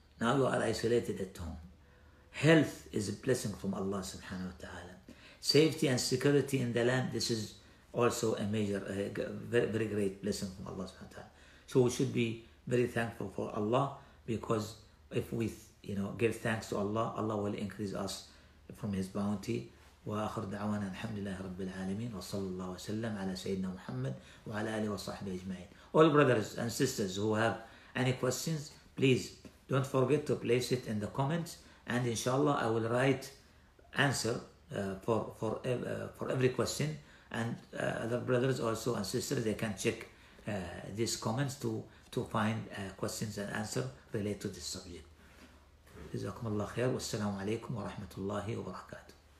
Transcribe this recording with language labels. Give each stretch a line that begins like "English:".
English: Now you are isolated at home. Health is a blessing from Allah subhanahu wa ta'ala. Safety and security in the land, this is also a major, a very, very great blessing from Allah subhanahu wa ta'ala. So we should be very thankful for Allah, because if we, you know, give thanks to Allah, Allah will increase us from His bounty.
Arabic: وآخر دعوانا الحمد لله رب العالمين وصلى الله وسلم على سيدنا محمد وعلى آله وصحبه أجمعين.
English: All brothers and sisters who have any questions, please don't forget to place it in the comments, and inshallah I will write answer for every question, and other brothers also and sisters, they can check these comments to find questions and answer related to this subject.
Arabic: جزاكم الله خير والسلام عليكم ورحمة الله وبركاته.